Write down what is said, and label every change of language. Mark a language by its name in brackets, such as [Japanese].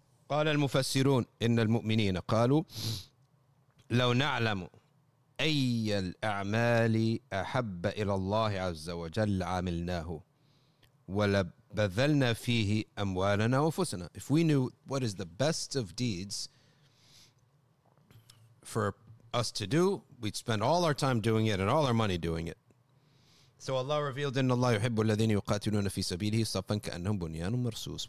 [Arabic] قال المفسرون إن المؤمنين قالوا لو نعلم أي الأعمال أحب إلى الله عز وجل عملناه ولبذلنا فيه أموالنا وفسنا. [English] If we knew what is the best of deeds for us to do, we'd spend all our time doing it and all our money doing it. So Allah revealed [Arabic] إن الله يحب الذين يقاتلون في سبيله صفا كأنهم بنيان مرصوص.